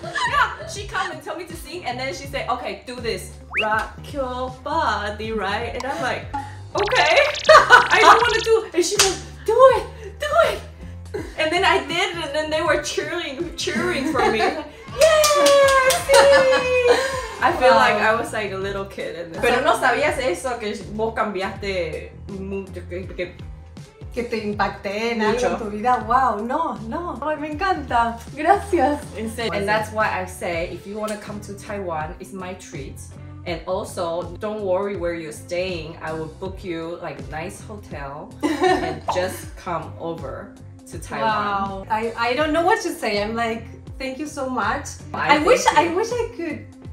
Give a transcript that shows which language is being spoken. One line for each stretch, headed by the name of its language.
English: Yeah, she come and tell me to sing, and then she say, okay, do this. Rock your body, right? And I'm like, okay. I don't want to do it. And she goes, do it, do it. And then I did, and then they were cheering for me. Like, yay, sing! I feel like I was like a little kid.
Spanish: Pero no sabías eso que vos cambiaste mucho que te impacté en algo en tu vida.
English: Wow, no.
Spanish: Ay, me encanta. Gracias.
English: And that's why I say if you want to come to Taiwan, it's my treat. And also, don't worry where you're staying. I will book you like nice hotel and just come over to Taiwan. Wow. I don't know what to say. I'm like, thank you so much. I wish I could.